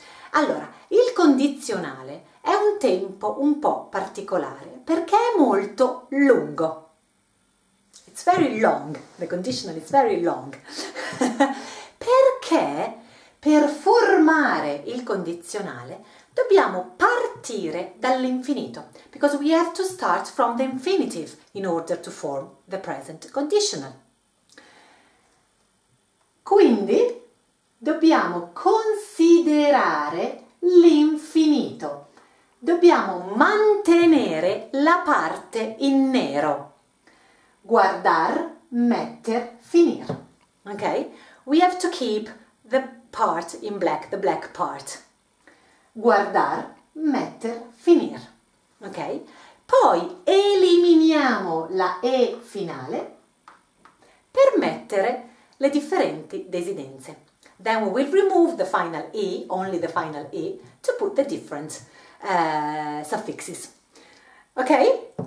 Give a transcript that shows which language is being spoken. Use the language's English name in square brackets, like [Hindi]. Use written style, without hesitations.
[Italian] Allora, il condizionale è un tempo un po' particolare perché è molto lungo. [English] It's very long. The conditional is very long. [Italian] Perché per formare il condizionale dobbiamo partire dall'infinito. [English] Because we have to start from the infinitive in order to form the present conditional. [Italian] Quindi dobbiamo considerare l'infinito. Dobbiamo mantenere la parte in nero. Guardar, metter, finir. Ok? [English] We have to keep the part in black, the black part. [Italian] Guardar, metter, finir. Ok? Poi eliminiamo la E finale per mettere le differenti desinenze. [English] Then we will remove the final E, only the final E, to put the different suffixes. Ok?